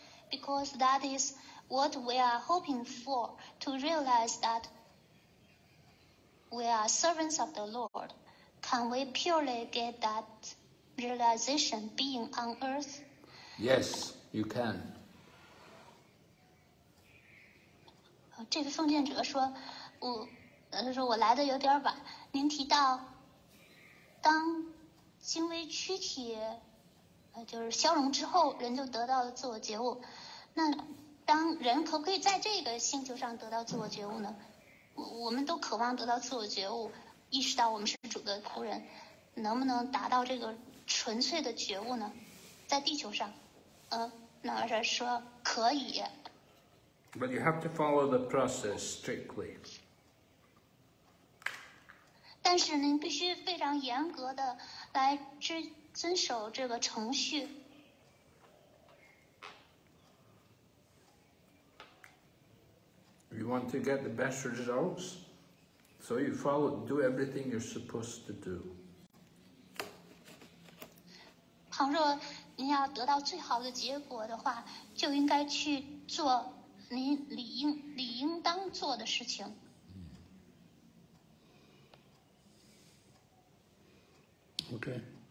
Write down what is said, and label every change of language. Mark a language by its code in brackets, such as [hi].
[en] Because that is what we are hoping for, to realize that we are servants of the Lord. Can we purely get that realization being on Earth? Yes, you can. [zh] 这位奉献者说，我来的有点晚，您提到当精微躯体就是消融之后，人就得到了自我觉悟，那当人可不可以在这个星球上得到自我觉悟呢？我们都渴望得到自我觉悟，意识到我们是主的仆人，能不能达到这个纯粹的觉悟呢？在地球上，那老师说可以， [en] But you have to follow the process strictly. [zh] 但是您必须非常严格的来遵守这个程序。 [en] You want to get the best results, so you follow, do everything you're supposed to do. [zh] 倘若您要得到最好的结果的话，就应该去做您理应当做的事情。 [en] OK。